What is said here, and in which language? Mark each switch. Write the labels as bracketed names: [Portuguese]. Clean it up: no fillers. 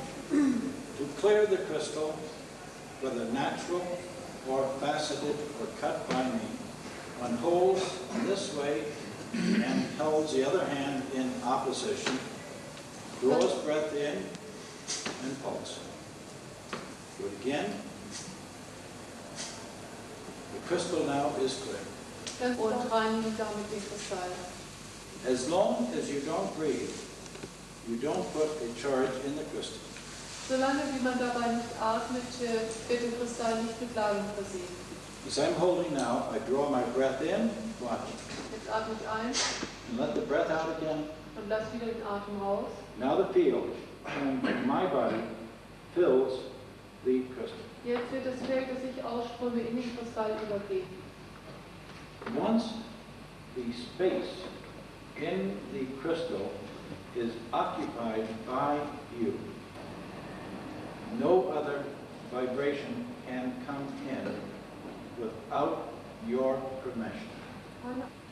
[English] To clear the crystal, whether natural or faceted or cut by me, one holds this way and holds the other hand in opposition, draws breath in and pulse. Do it again. The crystal now is clear. As long as you don't breathe, you don't put a charge in the crystal. [German] Solange wie man dabei nicht atmet, wird im Kristall nicht mit Ladung versehen. [English] As I'm holding now, I draw my breath in, watch. [German] Jetzt atme ich ein. [English] And let the breath out again. [German] Und lass wieder den Atem raus. [English] Now the field in my body fills the crystal. [German] Jetzt wird das Feld, das ich ausströme, in den Kristall übergeben. [English] Once the space in the crystal is occupied by you, no other vibration can come in without your permission.